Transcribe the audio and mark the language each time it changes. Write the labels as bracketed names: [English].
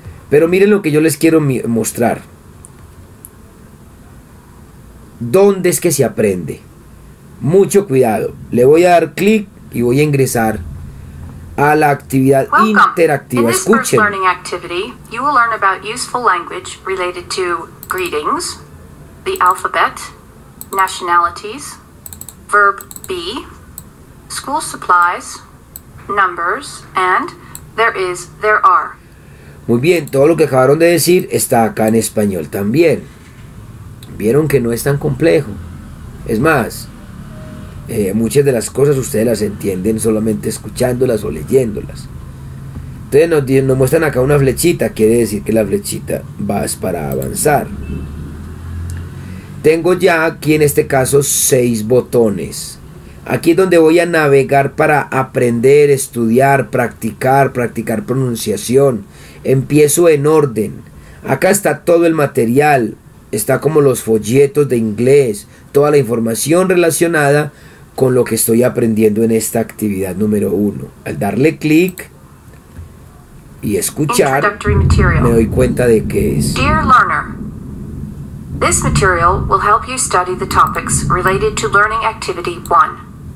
[Spanish] Pero miren lo que yo les quiero mostrar. ¿Dónde es que se aprende? Mucho cuidado. Le voy a dar clic y voy a ingresar a la actividad interactiva. Escuchen. [English] In this first learning activity, you will learn about useful language related to greetings, the alphabet, nationalities, verb be, school supplies, numbers, and there is, there are. [Spanish] Muy bien, todo lo que acabaron de decir está acá en español también. Vieron que no es tan complejo. Es más, muchas de las cosas ustedes las entienden solamente escuchándolas o leyéndolas. Entonces nos muestran acá una flechita, quiere decir que la flechita va para avanzar. Tengo ya aquí en este caso 6 botones. Aquí es donde voy a navegar para aprender, estudiar, practicar pronunciación. Empiezo en orden. Acá está todo el material. Está como los folletos de inglés. Toda la información relacionada con lo que estoy aprendiendo en esta actividad número 1. Al darle clic y escuchar, me doy cuenta de qué es. [English] Dear learner, this material will help you study the topics related to learning activity 1.